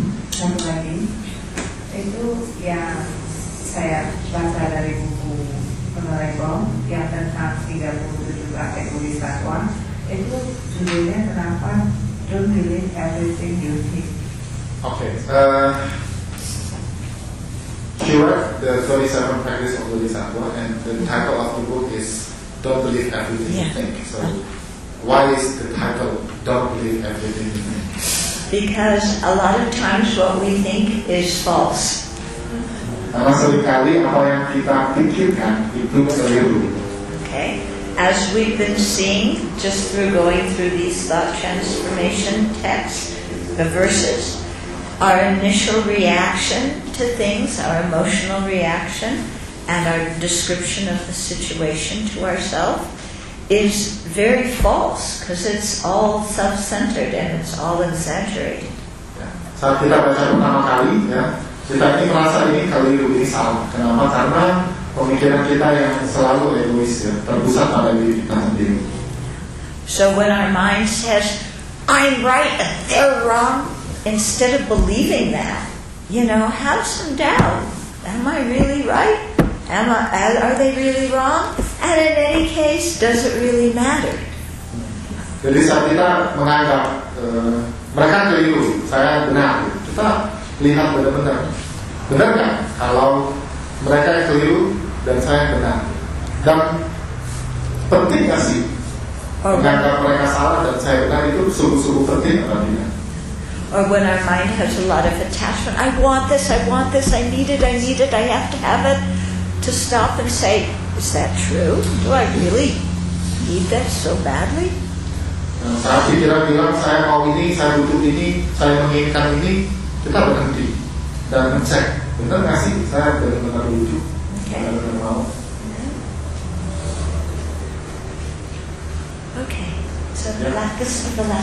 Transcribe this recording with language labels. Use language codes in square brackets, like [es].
[id] Satu lagi, itu yang saya baca dari buku Penerebong yang tentang 37 Aspek Bodhisattva, itu judulnya kenapa Don't Believe Everything You Think. Oke. [en] She wrote the 37 practice of Bodhisattva, and the title of the book is Don't Believe Everything You Think. So why is the title Don't Believe Everything You Think? Because a lot of times what we think is false. [id] Karena seringkali apa yang kita pikirkan itu keliru. [en] Okay. As we've been seeing, just through going through these thought transformation texts, the verses, our initial reaction to things, our emotional reaction, and our description of the situation to ourselves is very false because it's all self-centered and it's all exaggerated. [id] Saat kita baca pertama kali, ya, kita ini merasa ini keliru, ini salah. Kenapa? Karena pemikiran kita yang selalu egois, ya, terpusat pada diri kita sendiri. [en] So when our mind says, "I'm right and they're wrong," instead of believing that, you know, have some doubt. Am I really right? Are they really wrong? And in any case, does it really matter? [id] Jadi saat kita menganggap mereka keliru, saya benar. Kita lihat benar-benar. Benar nggak? Kalau mereka keliru dan saya benar, dan penting nggak sih menganggap mereka salah dan saya benar itu sungguh-sungguh penting atau tidak? [en] Or when our mind has a lot of attachment, I want this, I want this, I need it, I have to have it, to stop and say, is that true? Do I really need that so badly? [id] Saat pikiran bilang, saya mau ini, saya butuh ini, saya menginginkan ini, kita berhenti dan mencek, benar gak sih? Saya benar-benar butuh, benar-benar mau. [en] Okay. So the last question.